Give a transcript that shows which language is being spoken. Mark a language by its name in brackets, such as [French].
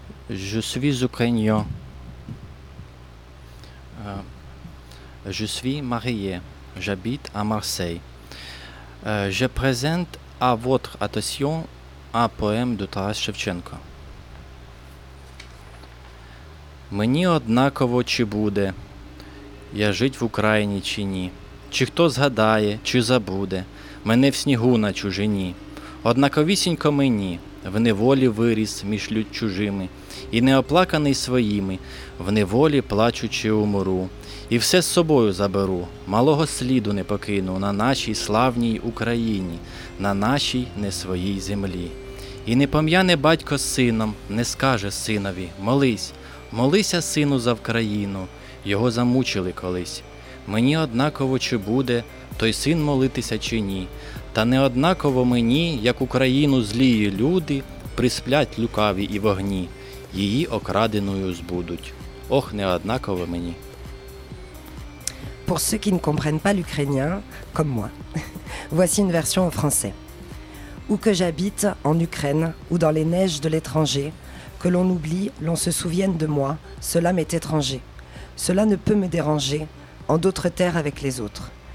[French] Je suis ukrainien. Je suis marié, j'habite à Marseille. Je présente à votre attention un poème de Taras Шевченко. [Ukrainian] Мені однаково, чи буде я жить в Україні чи ні. Чи хто згадає, чи забуде мене в снігу на чужині. Однаковісінько мені в неволі виріс між людь чужими і неоплаканий своїми, в неволі плачучи умру. І все з собою заберу, малого сліду не покину на нашій славній Україні, на нашій не своїй землі. І не пом'яне батько з сином, не скаже синові, молись, молися сину за Вкраїну, його замучили колись. Мені однаково, чи буде той син молитися чи ні, та не однаково мені, як Україну злії люди, присплять лукаві і вогні, її окраденою збудуть. Ох, не однаково мені. [French] Pour ceux qui ne comprennent pas l'ukrainien, comme moi, voici une version en français. Où que j'habite, en Ukraine, ou dans les neiges de l'étranger, que l'on oublie, l'on se souvienne de moi, cela m'est étranger. Cela ne peut me déranger, en d'autres terres avec les autres.